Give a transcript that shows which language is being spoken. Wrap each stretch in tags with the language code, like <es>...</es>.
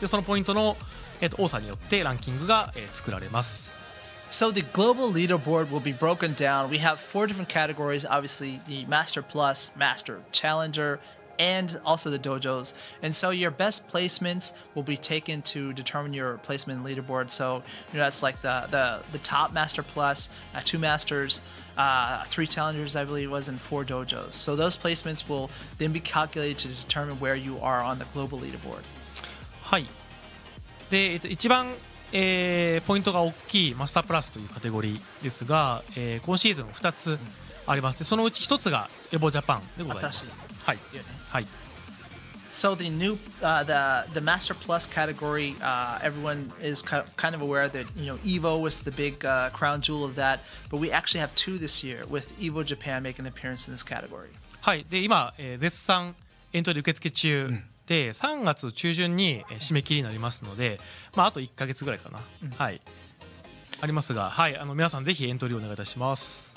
<ja>で、そのポイントの、多さによってランキングが、作られます。</ja> <en>So the global leaderboard will be broken down. We have four different categories, obviously the Master Plus, Master Challenger, and also the dojos. And so your best placements will be taken to determine your placement leaderboard. So you know, that's like the top Master Plus, two Masters, three Challengers, I believe it was, and four dojos. So those placements will then be calculated to determine where you are on the global leaderboard.</en> <ja>はい。で、一番ポイントが大きいマスタープラスというカテゴリーですが、今シーズン2つありまして、そのうち1つがエボジャパンでございます。はい、はい、</ja> <en>So the new the Master Plus category, everyone is kind of aware that, you know, Evo was the big crown jewel of that, but we actually have two this year with Evo Japan making an appearance in this category.</en> <ja>はい。で、今、絶賛エントリー受付中、うん、で3月中旬に締め切りになりますので、まあ、あと1ヶ月ぐらいかな、はい、ありますが、はい、あの皆さんぜひエントリーをお願いいたします。</ja>